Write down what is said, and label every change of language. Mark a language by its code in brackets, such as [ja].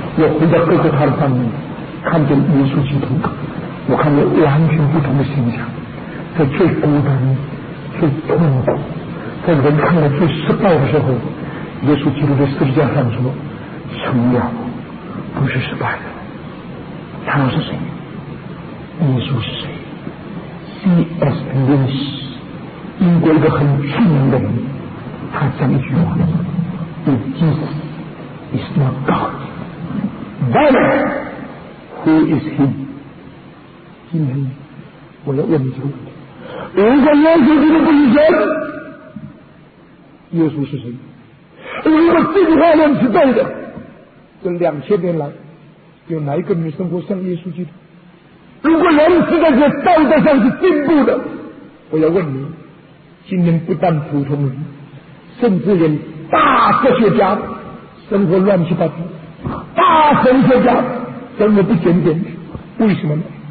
[zh] 我回到各个他的范围，看见耶稣基督，我看见完全不同的形象。在最孤单、最痛苦、在人看来最失败的时候，耶稣基督在十字架上说：“成了，不是失败的。” 他是谁？耶稣是谁？C.S. Lewis 英国一个很著名的人，他讲一句话 [en] If Jesus is not God then who is him? [zh] 今天我要问你这个问题，如果耶稣基督不是神，耶稣是谁？如果这句话论是对的，这2000年来有哪一个人生活像耶稣基督？如果人是在这道德上是进步的，我要问你，今天不但普通人，甚至连大科学家生活乱七八糟，大神学家生活不检点，为什么呢？